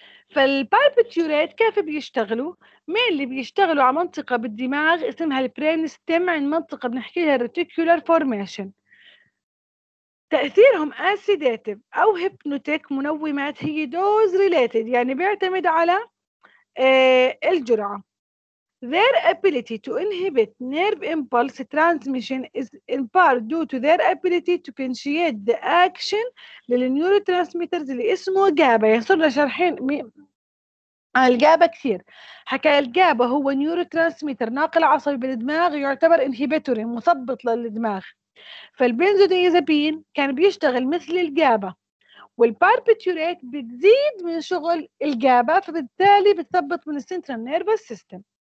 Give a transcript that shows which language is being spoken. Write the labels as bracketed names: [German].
[Arabic] فالبالبيتوريت كيف بيشتغلوا؟ مين اللي بيشتغلوا على منطقة بالدماغ اسمها البرين ستيم، عن منطقة بنحكيها الريتيكولار فورميشن. تأثيرهم أسيداتيف أو هيبنوتيك منومات، هي دوز ريليتد يعني بيعتمد على الجرعة. [English] Their ability to inhibit nerve impulse transmission is in part due to their ability to potentiate the action [Arabic] للنيوروترانسميترز اللي اسمه [English] GABA. [Arabic] يعني صرنا شرحين عن الجابا كثير. حكى الجابا هو نيوروترانسميتر ناقل عصبي بالدماغ يعتبر inhibitory مثبط للدماغ. فالبنزوديازابين كان بيشتغل مثل الجابا، والباربيتوريت بتزيد من شغل الجابا فبالتالي بتثبط من السنترال نيرفس سيستم.